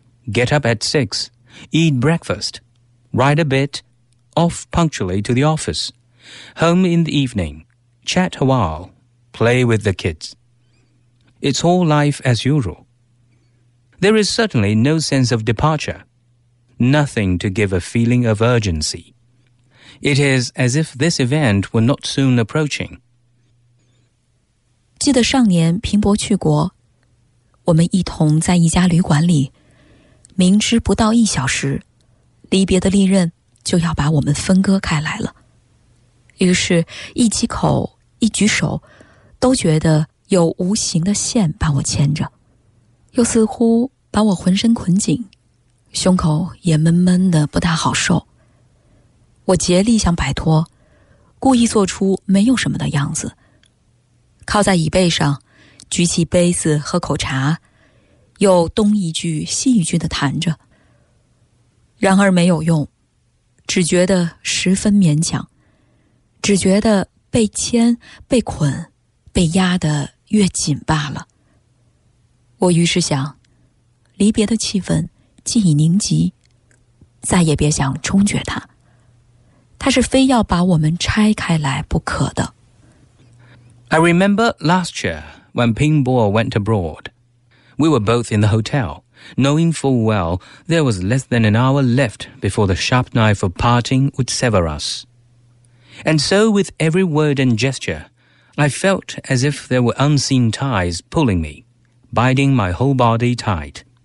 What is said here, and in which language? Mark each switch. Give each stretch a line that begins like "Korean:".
English: Get up at 6, eat breakfast, write a bit, off punctually to the office, home in the evening, chat a while, play with the kids. It's all life as usual. There is certainly no sense of departure, nothing to give a feeling of urgency. It is as if this event were not soon approaching.
Chinese: 记得上年平伯去国，我们一同在一家旅馆里，明知不到一小时，离别的利刃就要把我们分割开来了。于是，一起口，一举手，都觉得有无形的线把我牵着，又似乎把我浑身捆紧，胸口也闷闷的，不大好受。我竭力想摆脱，故意做出没有什么的样子，靠在椅背上举起杯子喝口茶，又东一句西一句地谈着，然而没有用，只觉得十分勉强，只觉得被牵被捆被压得越紧罢了。我于是想，离别的气氛既已凝集，再也别想冲决它，它是非要把我们拆开来不可的。
English: I remember last year,When Ping Bo went abroad, we were both in the hotel, knowing full well there was less than an hour left before the sharp knife of parting would sever us. And so with every word and gesture, I felt as if there were unseen ties pulling me, binding my whole body tight.